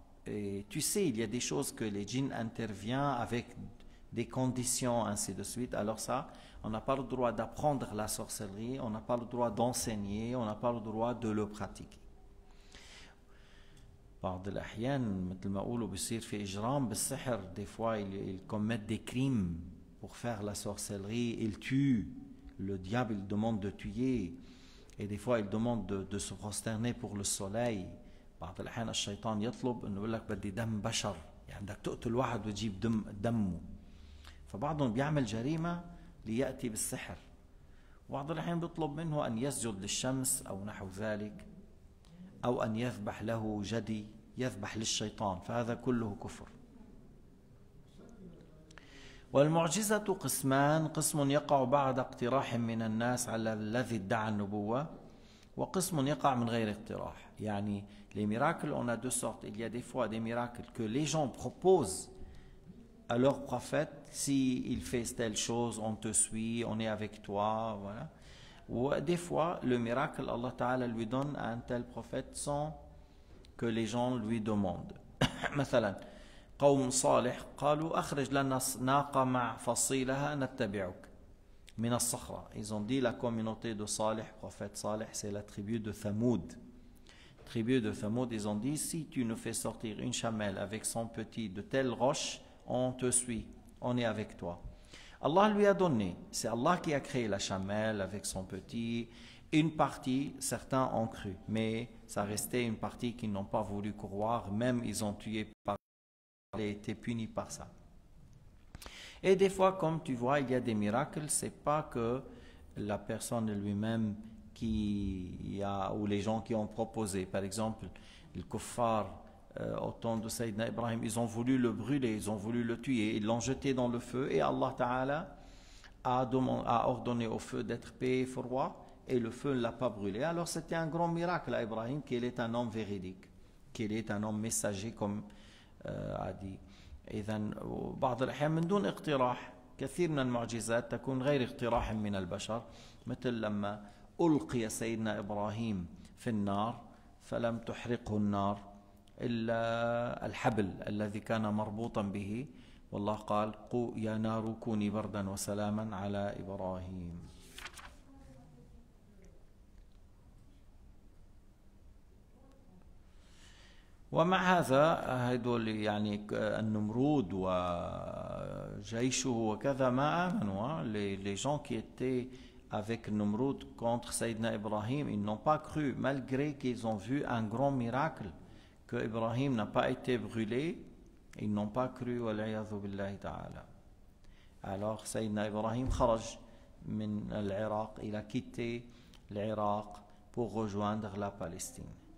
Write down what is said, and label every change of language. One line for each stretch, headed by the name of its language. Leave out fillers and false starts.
French: Et tu sais, il y a des choses que les djinns interviennent avec des conditions, ainsi de suite. Alors ça, on n'a pas le droit d'apprendre la sorcellerie, on n'a pas le droit d'enseigner, on n'a pas le droit de le pratiquer.
Arabic: بعض الأحيان مثل ما قولوا بيصير في إجرام بالسحر.
French: des fois ils commettent des crimes pour faire la sorcellerie. Ils tuent. Le diable il demande de tuer. Et des fois ils demandent de se prosterner pour le soleil.
Arabic: بعض الأحيان الشيطان يطلب إنه يقول لك بدي دم بشر. يعني بدك تقتل واحد وتجيب دمه. فبعضهم بيعمل جريمة ليأتي بالسحر. بعض الأحيان بيطلب منه أن يسجد للشمس أو نحو ذلك. أو أن يذبح له جدي، يذبح للشيطان، فهذا كله كفر. والمعجزة قسمان، قسم يقع بعد اقتراح من الناس على الذي ادعى النبوة، وقسم يقع من غير اقتراح.
French: يعني les miracles on a deux sortes. Il y a des fois des miracles que les gens proposent à leur prophète. Si il fait telle chose, on te suit, on est avec toi, voilà. Ou des fois, le miracle, Allah Ta'ala lui donne à un tel prophète sans que les gens lui demandent.
Arabic: مثلاً, قوم صالح قالوا أخرج لنا ناقة مع فصيلها نتبعك من الصخرة.
French: Ils ont dit la communauté de Salih, prophète Salih, c'est la tribu de Thamoud. Tribu de Thamoud, ils ont dit, si tu nous fais sortir une chamelle avec son petit de telle roche, on te suit, on est avec toi. Allah lui a donné, c'est Allah qui a créé la chamelle avec son petit. Une partie, certains ont cru, mais ça restait une partie qu'ils n'ont pas voulu croire, même ils ont tué par ça, et été punis par ça. Et des fois, comme tu vois, il y a des miracles, c'est pas que la personne lui-même qui a, ou les gens qui ont proposé. Par exemple, le kuffar, au temps de Sayyidina Ibrahim, ils ont voulu le brûler, ils ont voulu le tuer, ils l'ont jeté dans le feu, et Allah Ta'ala a ordonné au feu d'être paix et froid, et le feu ne l'a pas brûlé. Alors c'était un grand miracle à Ibrahim, qu'il est un homme véridique, qu'il est un homme messager, comme a dit. Et dans
Arabic: بعض الأحيان من دون اقتراح كثير من المعجزات تكون غير اقتراح من البشر، مثل لما ألقي سيدنا إبراهيم في النار فلم تحرقه النار إلا الحبل الذي كان مربوطا به، والله قال قو يا نار كوني بردا وسلاما على إبراهيم. ومع هذا هذول يعني النمرود وجيشه وكذا ما آمنوا.
French: les gens qui étaient avec Nimrod contre Sayyidina Ibrahim ils n'ont pas cru malgré qu'ils ont vu un grand miracle que Ibrahim n'a pas été brûlé, ils n'ont pas cru
Arabic: wa la'yadhu billahi ta'ala.
French: Alors Sayyidina Ibrahim
Arabic: kharaj min al-Iraq,
French: il a quitté l'Irak pour rejoindre la Palestine.